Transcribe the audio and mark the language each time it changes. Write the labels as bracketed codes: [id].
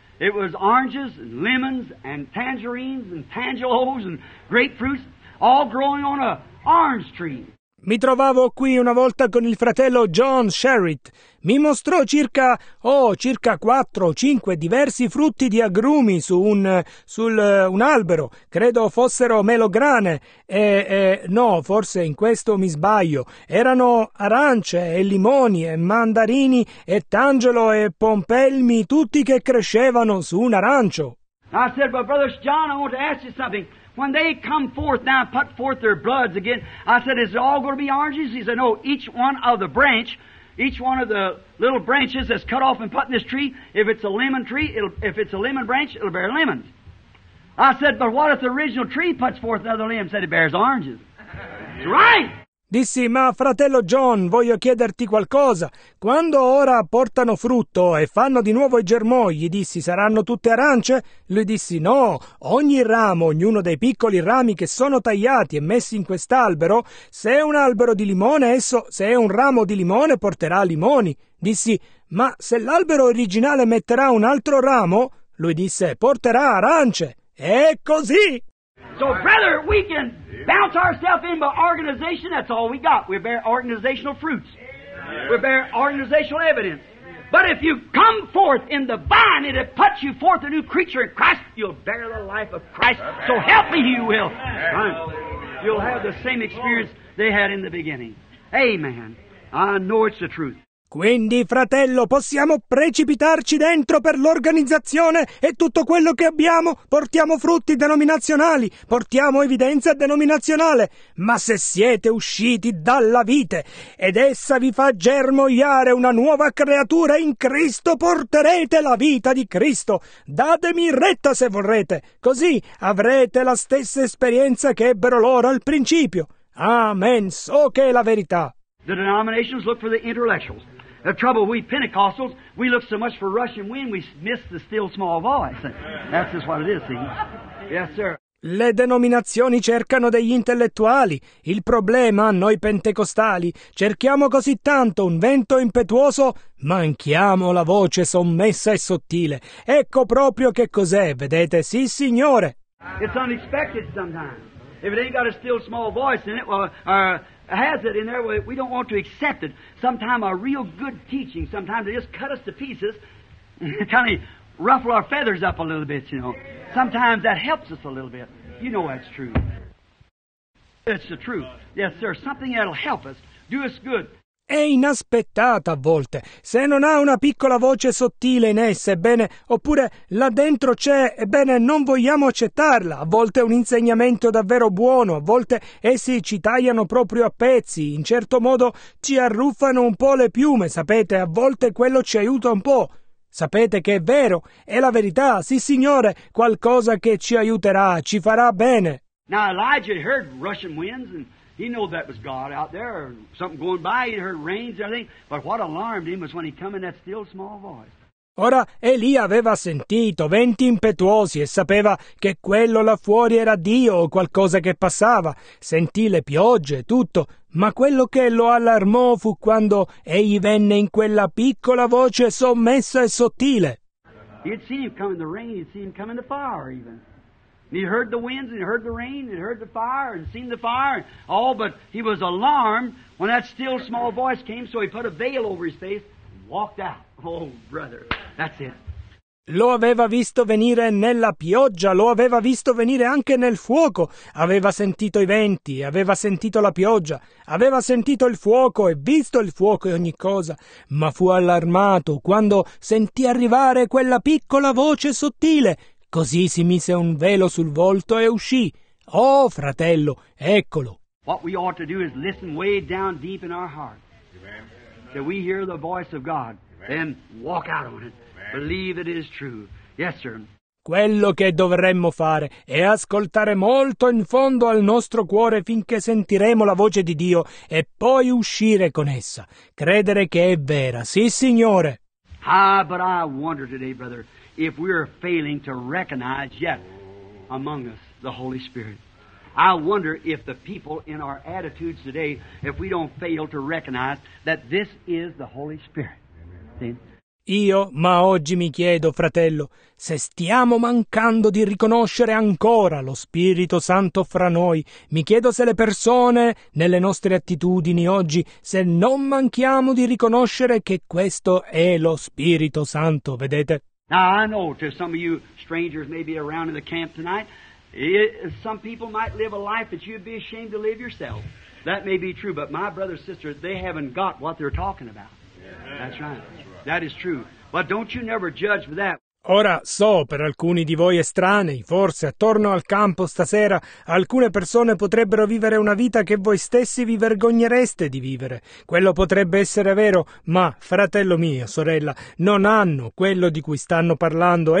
[en] It was oranges and lemons and tangerines and tangelos and grapefruits. All growing on a orange tree. [it] Mi trovavo qui una volta con il fratello John Sherritt. Mi mostrò circa 4 o 5 diversi frutti di agrumi su un albero. Credo fossero melograne. Forse in questo mi sbaglio. Erano arance e limoni e mandarini e tangelo e pompelmi, tutti che crescevano su un arancio. [en] I said, but brother John, I want to ask you something. When they come forth now, put forth their buds again, I said, is it all going to be oranges? He said, no, each one of the little branches that's cut off and put in this tree, if it's a lemon tree, if it's a lemon branch, it'll bear lemons. I said, but what if the original tree puts forth another limb? Said, it bears oranges. It's right! [it] Dissi, ma fratello John, voglio chiederti qualcosa. Quando ora portano frutto e fanno di nuovo i germogli, dissi, saranno tutte arance? Lui disse, no, ogni ramo, ognuno dei piccoli rami che sono tagliati e messi in quest'albero, se è un albero di limone, esso, se è un ramo di limone, porterà limoni. Dissi, ma se l'albero originale metterà un altro ramo, lui disse, porterà arance. È così! [en] So, brother, we can bounce ourselves in by organization. That's all we got. We bear organizational fruits. We bear organizational evidence. But if you come forth in the vine and it puts you forth a new creature in Christ, you'll bear the life of Christ. So help me, you will. You'll have the same experience they had in the beginning. Amen. I know it's the truth. [it] Quindi, fratello, possiamo precipitarci dentro per l'organizzazione e tutto quello che abbiamo portiamo frutti denominazionali, portiamo evidenza denominazionale. Ma se siete usciti dalla vite ed essa vi fa germogliare una nuova creatura in Cristo, porterete la vita di Cristo. Datemi retta se vorrete, così avrete la stessa esperienza che ebbero loro al principio. Amen, so che è la verità. [en] The denominations look for the intellectuals. The trouble, we Pentecostals, we look so much for rushing wind, we miss the still small voice. That's just what it is, see? Yes, sir. [it] Le denominazioni cercano degli intellettuali. Il problema, noi pentecostali, cerchiamo così tanto un vento impetuoso, manchiamo la voce sommessa e sottile. Ecco proprio che cos'è, vedete? Sì, signore. [en] It's unexpected sometimes. If it ain't got a still small voice in it, has it in there, we don't want to accept it. Sometimes a real good teaching, sometimes they just cut us to pieces, kind of ruffle our feathers up a little bit, you know. Sometimes that helps us a little bit. You know that's true. That's the truth. Yes, sir, something that'll help us, do us good. [it] È inaspettata a volte. Se non ha una piccola voce sottile in essa, ebbene, oppure là dentro c'è, ebbene, non vogliamo accettarla. A volte è un insegnamento davvero buono, a volte essi ci tagliano proprio a pezzi, in certo modo ci arruffano un po' le piume, sapete, a volte quello ci aiuta un po'. Sapete che è vero, è la verità, sì signore, qualcosa che ci aiuterà, ci farà bene. [en] Now Elijah heard rushing winds and he knew that was God out there, or something going by. He heard rains and everything. But what alarmed him was when he come in that still small voice. [it] Ora Eli aveva sentito venti impetuosi e sapeva che quello là fuori era Dio o qualcosa che passava. Sentì le piogge e tutto, ma quello che lo allarmò fu quando egli venne in quella piccola voce sommessa e sottile. [en] He'd seen him coming the rain, he'd seen him coming the fire even. And he heard the winds, and he heard the rain, and he heard the fire, and seen the fire. Oh, but he was alarmed when that still small voice came, so he put a veil over his face and walked out. Oh, brother, that's it. [it] Lo aveva visto venire nella pioggia, lo aveva visto venire anche nel fuoco. Aveva sentito i venti, aveva sentito la pioggia, aveva sentito il fuoco e visto il fuoco e ogni cosa. Ma fu allarmato quando sentì arrivare quella piccola voce sottile. Così si mise un velo sul volto e uscì. Oh, fratello, eccolo. [en] What we ought to do is listen way down deep in our heart. Amen. That we hear the voice of God. Then walk out on it. Believe it is true. Yes, sir. [it] Quello che dovremmo fare è ascoltare molto in fondo al nostro cuore finché sentiremo la voce di Dio e poi uscire con essa. Credere che è vera. Sì, Signore. [en] Ah, but I wonder today, brother, if we are failing to recognize yet among us the Holy Spirit. I wonder if the people in our attitudes today, if we don't fail to recognize that this is the Holy Spirit. See? [it] Io, ma oggi mi chiedo, fratello, se stiamo mancando di riconoscere ancora lo Spirito Santo fra noi. Mi chiedo se le persone, nelle nostre attitudini oggi, se non manchiamo di riconoscere che questo è lo Spirito Santo, vedete? [en] Now, I know to some of you strangers maybe around in the camp tonight, some people might live a life that you'd be ashamed to live yourself. That may be true, but my brothers and sisters, they haven't got what they're talking about. That's right. That is true. But don't you never judge for that. [it] Ora so, per alcuni di voi estranei, forse attorno al campo stasera, alcune persone potrebbero vivere una vita che voi stessi vi vergognereste di vivere. Quello potrebbe essere vero, ma, fratello mio, sorella, non hanno quello di cui stanno parlando.